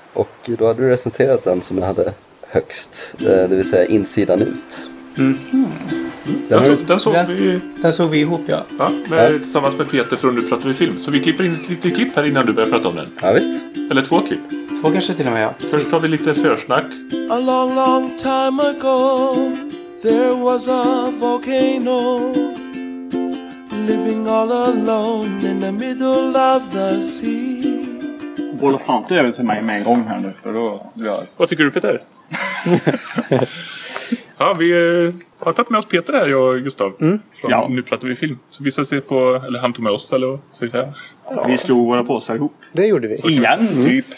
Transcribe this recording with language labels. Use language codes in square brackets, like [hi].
[sv] Och då hade du recenserat den som jag hade högst, det vill säga Insidan Ut. Den såg vi ihop, ja. Ja, med, tillsammans med Peter från Nu pratar vi film. Så vi klipper in ett litet klipp här innan du börjar prata om den. Ja, visst. Eller 2 klipp. 2 kanske till och med, ja. Först tar vi lite försnack. [en] A long, long time ago, there was a volcano living all alone in the middle of the sea. [sv] Båda fanter över till mig med en gång här nu, för då... Ja. Vad tycker du, Peter? Ja, vi har tagit med oss Peter här, jag och Gustav. Mm. Ja. Nu pratar vi film. Så vi ska se på... Eller han tog med oss, eller så vidare. Vi slog våra påsar ihop. Det gjorde vi. Så, igen, typ.